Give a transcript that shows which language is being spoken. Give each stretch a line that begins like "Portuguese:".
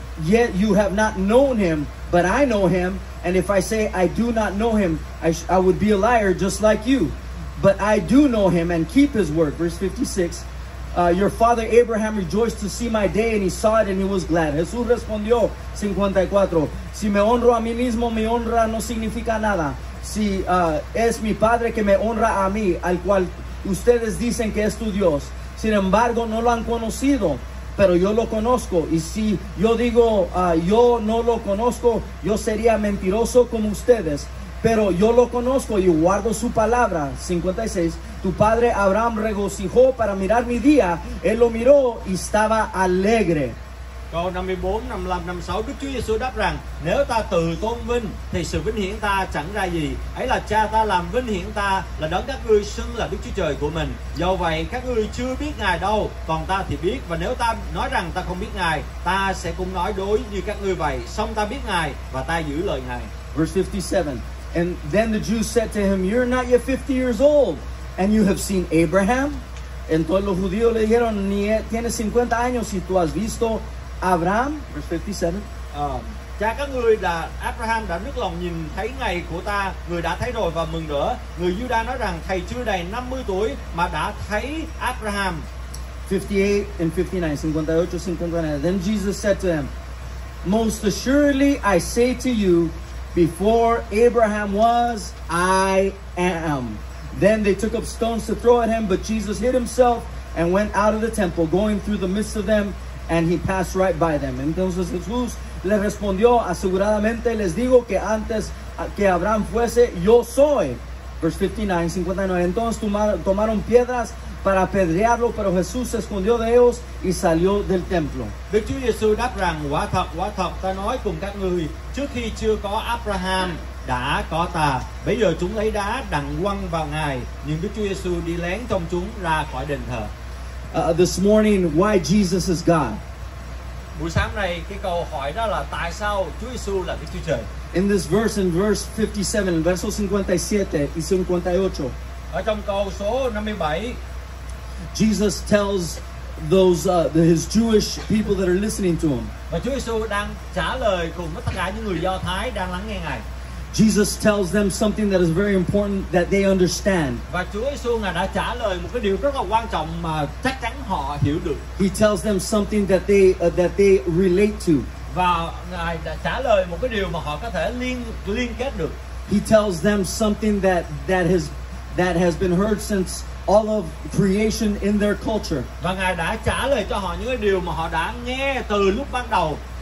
English: Yet you have not known him, but I know him. And if I say I do not know him, I would be a liar just like you. But I do know him and keep his word. Verse 56. Your father Abraham rejoiced to see my day, and he saw it and he was glad.
Spanish: Jesús respondió 54. Si me honro a mí mismo, mi honra no significa nada. Si es mi padre que me honra a mí, al cual ustedes dicen que es tu Dios. Sin embargo, no lo han conocido, pero yo lo conozco. Y si yo digo, yo no lo conozco, yo sería mentiroso como ustedes. Pero yo lo conozco y guardo su palabra. 56. Tu padre Abraham regocijó para mirar mi día. Él lo miró y estaba alegre.
Vietnamese: Câu 54, 55, 56, Đức Chúa Giêsu đáp rằng: Nếu ta tự tôn vinh thì sự vinh hiển ta chẳng ra gì. Ấy là cha ta làm vinh hiển ta, là đấng các ngươi xưng là Đức Chúa Trời của mình. Do vậy các ngươi chưa biết Ngài đâu, còn ta thì biết. Và nếu ta nói rằng ta không biết Ngài, ta sẽ cũng nói đối như các ngươi vậy. Song ta biết Ngài và ta giữ lời Ngài.
English: Verse 57. And then the Jews said to him, You're not yet 50 years old, and you have seen Abraham?
Spanish: Entonces los judíos le dijeron, Ni tienes 50 años y tú has visto Abraham.
English: Verse 57.
Vietnamese: Cha các người là Abraham đã nức lòng nhìn thấy ngày của ta, người đã thấy rồi và mừng rỡ. Người Giu-đa nói rằng thầy chưa đầy 50 tuổi mà đã thấy Abraham.
English: 58 and 59. Then Jesus said to him, Most assuredly I say to you, before Abraham was, I am. Then they took up stones to throw at him, but Jesus hid himself and went out of the temple, going through the midst of them. And he passed right by them.
Spanish: Entonces Jesús le respondió, aseguradamente les digo que antes que Abraham fuese, yo soy. Verse 59, 59. Entonces tomaron piedras para apedrearlo, pero Jesús se escondió de ellos y salió del templo.
Vietnamese: Đức Chúa Giêsu đáp rằng, quả thật, ta nói cùng các người, trước khi chưa có Abraham, đã có ta. Bây giờ chúng lấy đá đặng quăng vào ngài, nhưng Đức Chúa Giêsu đi lén trong chúng ra khỏi đền thờ.
English: This morning, why Jesus is God?
Vietnamese: Buổi sáng này, cái câu hỏi đó là tại sao Chúa Giêsu là Đức Chúa Trời?
English: In this verse, in verse 57,
Spanish: verso 57 y 58.
Vietnamese: Ở trong câu số 57,
English: Jesus tells his Jewish people that are listening to him.
Vietnamese: Và Chúa Giêsu đang trả lời cùng với tất cả những người Do Thái đang lắng nghe ngài.
English: Jesus tells them something that is very important that they understand.
Vietnamese: Và Chúa Giêsu đã trả lời một cái điều rất là quan trọng mà chắc chắn họ hiểu được.
English: He tells them something that they relate to.
Vietnamese: Và ngài đã trả lời một cái điều mà họ có thể liên kết được.
English: He tells them something that has been heard since all of creation in their culture.
Vietnamese: Và ngài đã trả lời cho họ những cái điều mà họ đã nghe từ lúc ban đầu.